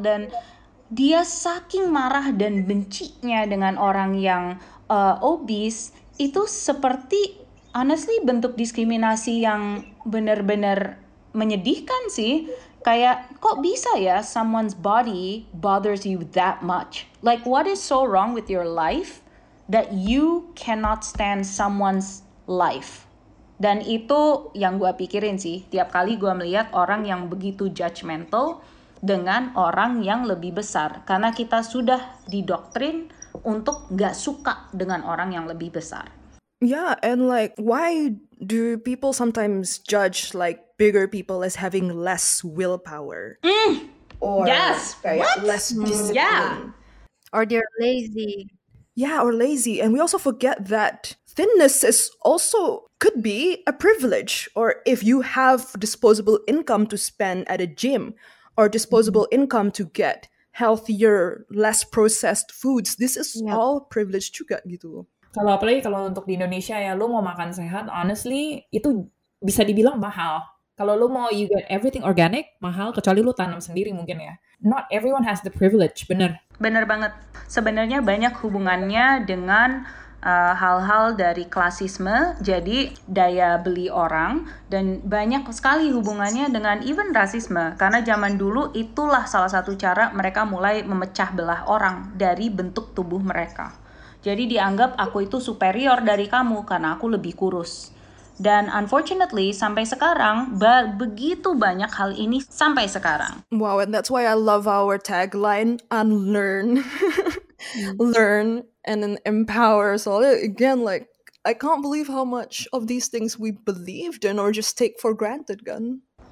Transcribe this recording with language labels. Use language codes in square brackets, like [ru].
[id] Dan dia saking marah dan bencinya dengan orang yang obese, itu seperti, honestly, bentuk diskriminasi yang benar-benar menyedihkan sih. [en] Kayak, kok bisa ya someone's body bothers you that much? Like, what is so wrong with your life that you cannot stand someone's life? [id] Dan itu yang gue pikirin sih, tiap kali gue melihat orang yang begitu judgmental dengan orang yang lebih besar. Karena kita sudah didoktrin untuk gak suka dengan orang yang lebih besar. [en] Yeah, and like, why do people sometimes judge like bigger people as having less willpower? Less discipline. Yeah. Or they're lazy. Yeah, or lazy. And we also forget that thinness is also could be a privilege. Or if you have disposable income to spend at a gym, or disposable income to get healthier, less processed foods. This is all privilege juga gitu. [id] Kalau apalagi kalau untuk di Indonesia ya, lu mau makan sehat, honestly, itu bisa dibilang mahal. Kalau lu mau [en] you get everything organic, [id] mahal, kecuali lu tanam sendiri mungkin ya. [en] Not everyone has the privilege, bener. [id] Bener banget. Sebenarnya banyak hubungannya dengan hal-hal dari klasisme, jadi daya beli orang, dan banyak sekali hubungannya dengan even rasisme, karena zaman dulu itulah salah satu cara mereka mulai memecah belah orang dari bentuk tubuh mereka. Jadi dianggap aku itu superior dari kamu karena aku lebih kurus. Dan unfortunately, sampai sekarang, begitu banyak hal ini sampai sekarang. [en] Wow, and that's why I love our tagline, unlearn. Learn and then empower. So again, like, I can't believe how much of these things we believed in or just take for granted, kan?